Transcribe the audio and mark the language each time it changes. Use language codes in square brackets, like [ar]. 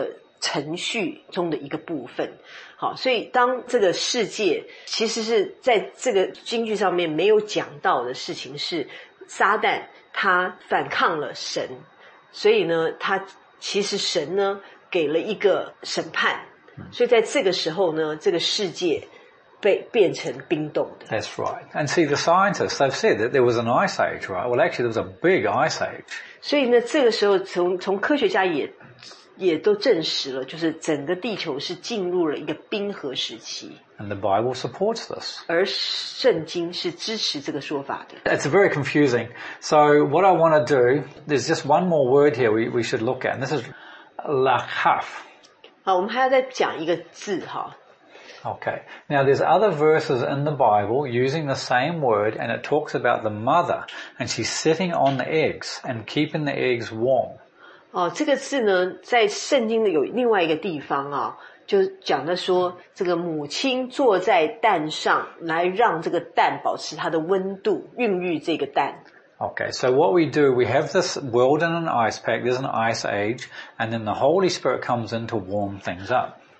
[zh] 这个地方呢,其实很复杂哦,因为它的每一句话,它都代表了一个程序中的一个部分。好,所以当这个世界,其实是在这个经句上面没有讲到的事情是,撒旦他反抗了神,所以呢,他其实神呢,给了一个审判,所以在这个时候呢,这个世界变成冰冻的。 [en] That's right. And see, the scientists, they've said that there was an ice age, right? Well, actually, there was a big ice age. [zh] 所以呢,这个时候从科学家也 也都证实了，就是整个地球是进入了一个冰河时期。 [en] And the Bible supports this. [zh] 而圣经是支持这个说法的。 [en] It's very confusing. So what I want to do, there's just one more word here we should look at. And this is lachaf. [zh] 好，我们还要再讲一个字哈。Okay. [en] Now there's other verses in the Bible using the same word, and it talks about the mother, and she's sitting on the eggs and keeping the eggs warm. [zh] 哦,这个字呢,在圣经的有另外一个地方啊,就讲的说,这个母亲坐在蛋上,来让这个蛋保持它的温度,孕育这个蛋。Okay, [en] so what we do, we have this world in an ice pack, there's an ice age, and then the Holy Spirit comes in to warm things up.